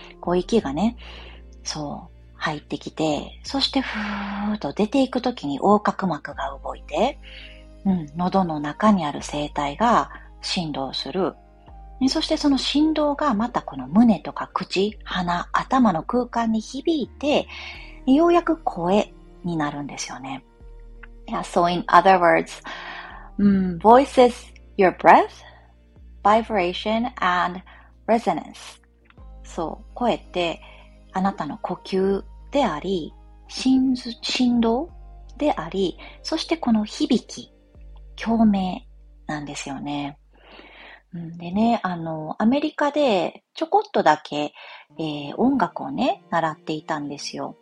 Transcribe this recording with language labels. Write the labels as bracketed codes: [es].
[ja] こう息がね、そう、入ってきて、そしてふーっと出ていくときに横隔膜が動いて、喉の中にある声帯が振動する。そしてその振動がまたこの胸とか口、鼻、頭の空間に響いて、ようやく声、になるんですよね。 [en] Yeah, so in other words, voice is your breath, vibration, and resonance. [ja] そう、声ってあなたの呼吸であり、振動であり、そしてこの響き、共鳴なんですよね。でね、アメリカでちょこっとだけ、音楽をね、習っていたんですよ。